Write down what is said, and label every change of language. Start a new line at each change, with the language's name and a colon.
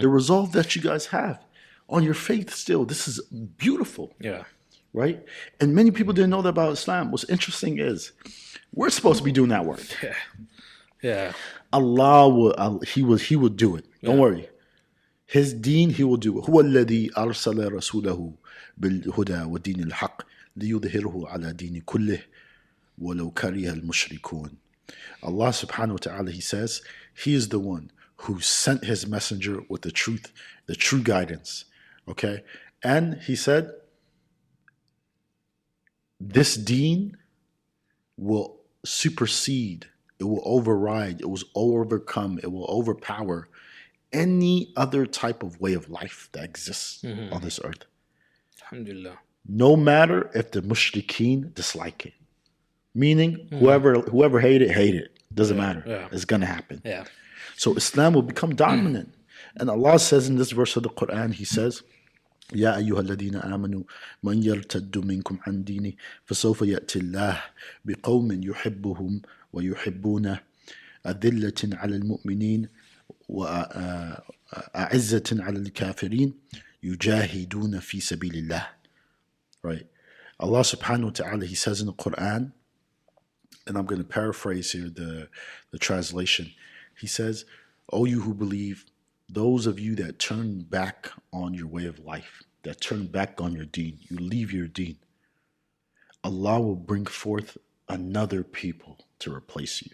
English: the resolve that you guys have. On your faith still, this is beautiful. Yeah. Right? And many people didn't know that about Islam. What's interesting is we're supposed to be doing that work. Yeah. Yeah. Allah will do it. Don't worry. His deen, he will do.
Arabic: هو الذي أرسل رسوله بالهدى ودين الحق ليظهره على دين كله ولو كره المشركون.
English: Allah subhanahu wa ta'ala, he says, he is the one who sent his messenger with the truth, the true guidance. Okay? And he said, this deen will supersede, it will override, it will overcome, it will overpower any other type of way of life that exists on this earth. Alhamdulillah. No matter if the mushrikeen dislike it. Meaning, whoever hate it, doesn't matter. Yeah. It's going to happen. Yeah. So Islam will become dominant. And Allah says in this verse of the Quran, he says,
Arabic: يَا أَيُّهَا الَّذِينَ آمَنُوا مَنْ يَرْتَدُّ مِنْكُمْ عَنْ دِينِ فَسَوْفَ يَأْتِ اللَّهِ بِقَوْمٍ يُحِبُّهُمْ وَيُحِبُّونَ أَذِلَّةٍ عَلَى الْمُؤْمِنِينَ وَأَعِزَّةٍ عَلَى الْكَافِرِينَ يُجَاهِدُونَ فِي سَبِيلِ اللَّهِ.
English: Right. Allah subhanahu wa ta'ala, he says in the Quran, and I'm going to paraphrase here the translation. He says, O you who believe, those of you that turn back on your way of life, that turn back on your deen, you leave your deen, Allah will bring forth another people to replace you.